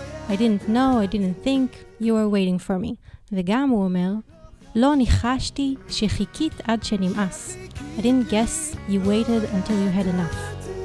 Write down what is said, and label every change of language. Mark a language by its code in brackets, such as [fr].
[en] I didn't know, I didn't think you were waiting for me. [he] וגם הוא אומר, לא ניחשתי שחיכית עד שנמאס. [en] I didn't guess you waited until you had enough.